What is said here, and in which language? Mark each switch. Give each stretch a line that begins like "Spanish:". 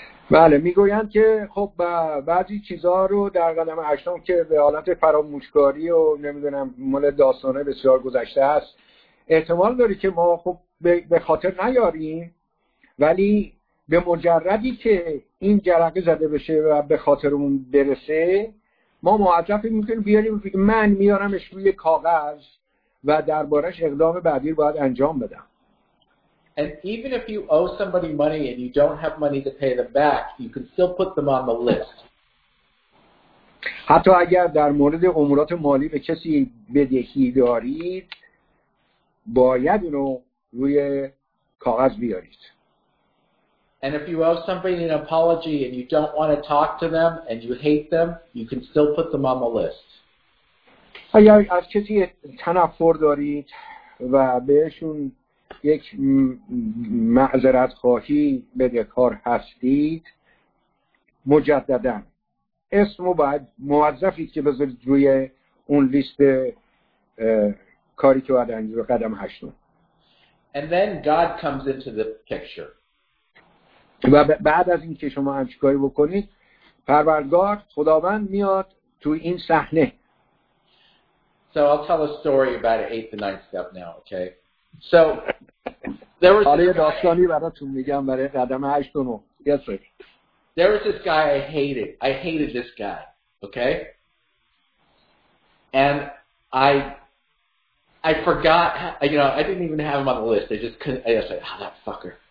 Persian: بله، میگویند که خب بعضی چیزها رو در قدم هشتم که به حالت فراموشکاری و نمیدونم مال داستانه بسیار گذشته است، احتمال داره که ما خب به خاطر نیاریم، ولی به مجردی که این جرقه زده بشه و به خاطرمون برسه، ما موظف میکنیم بیاریم که من میارمش روی کاغذ و دربارش اقدام بعدی رو باید انجام بدم.
English: And even if you owe somebody money and you don't have money to pay them back, you can still put them on the list.
Persian: حتی اگر در مورد امورات مالی به کسی بدهی دارید، باید اونو روی کاغذ بیارید.
English: And if you owe somebody an apology and you don't want to talk to them and you hate them, you can still put them on the list.
Persian: اگر از کسی تنفر دارید و بهشون یک معذرت خواهی بدهکار هستید، مجددن اسمو باید موظفید که بذارید روی اون لیست کاری که باید انجام بدید. قدم هشتون.
English: And then God comes into the picture.
Persian: و بعد از این که شما همچین کاری بکنید، پروردگار خداوند میاد تو این صحنه.
English: So I'll tell a story about an 8th and 9th step now, okay? So there was this guy I hated this guy, okay? And I forgot, you know, I didn't even have him on the list. I just couldn't, I was like, oh, that fucker.